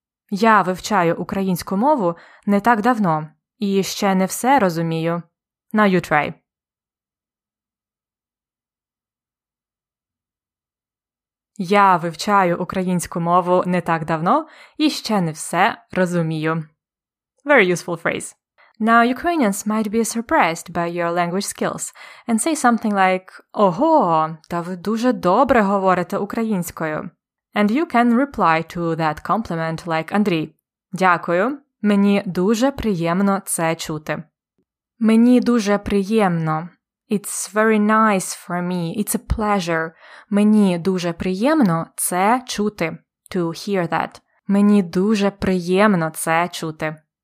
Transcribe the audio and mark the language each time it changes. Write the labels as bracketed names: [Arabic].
[Ukrainian] Я вивчаю українську мову не так давно і ще не все розумію. [English] Now you try. [Ukrainian] Я вивчаю українську мову не так давно і ще не все розумію. [English] Very useful phrase. Now, Ukrainians might be surprised by your language skills and say something like, [Ukrainian] Ого, та ви дуже добре говорите українською. [English] And you can reply to that compliment like Андрій. [Ukrainian] Дякую, мені дуже приємно це чути. Мені дуже приємно. [English] It's very nice for me. It's a pleasure. [Ukrainian] Мені дуже приємно це чути. [English] To hear that. [Ukrainian] Мені дуже приємно це чути.